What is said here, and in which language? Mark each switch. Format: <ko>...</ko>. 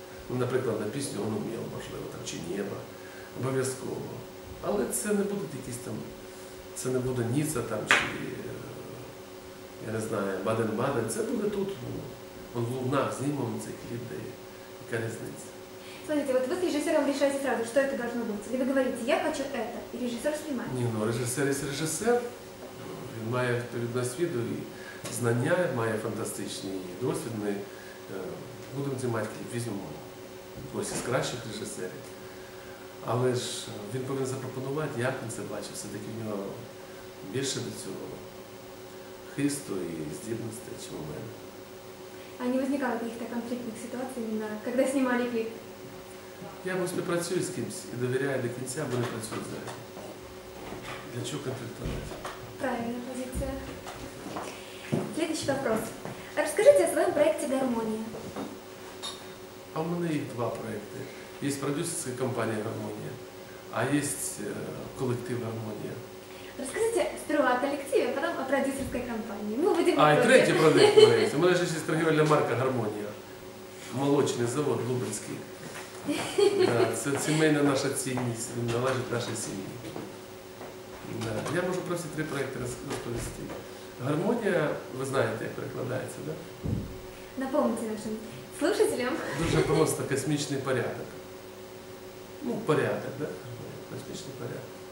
<uk>Ну, наприклад, на пісню «Он уміло», можливо, там, чи «Небо», обов'язково. Але це не буде якісь там, це не буде «Ніца» там, чи, я не знаю, «Баден-Баден». Це буде тут, ну, в Лугнах знімемо цей кліп, де є. Яка різниця?</uk> <ru>Смотрите, вот вы с режиссером решаете сразу, что это должно быть. Или вы говорите, я хочу это, и режиссер снимает. Не, ну режиссер есть режиссер.</ru> <uk>Він має відповідність виду і знання, має фантастичний і досвідний. Будемо знімати кліп, візьмемо когось із кращих режисерів. Але ж він повинен запропонувати, як він це бачив. Все-таки в нього більше до цього хисту і здібності, ніж у мене. А не виникало якихось конфліктних ситуацій, коли знімали кліп? Я просто працюю з кимось і довіряю до кінця, бо не працюю зараз. Для чого конфліктувати?</uk> <ru>Правильная позиция. Следующий вопрос. Расскажите о своем проекте «Гармония». А у меня их два проекта. Есть продюсерская компания «Гармония», а есть коллектив «Гармония». Расскажите сперва о коллективе, потом о продюсерской компании. Мы будем и третий продукт проект. У меня же есть торговельная марка «Гармония». Молочный завод Лубенский. Это семейная наша ценность, он</ru> <uk>належит</uk> <ru>нашей семье.</ru> <uk>Я можу про всі три проекти розповісти. «Гармонія», ви знаєте, як перекладається, так? Да?</uk> <ru>Напомніть нашим слушателям.</ru> <uk>Дуже просто, космічний порядок. Ну, порядок, так? Да? Космічний порядок.</uk>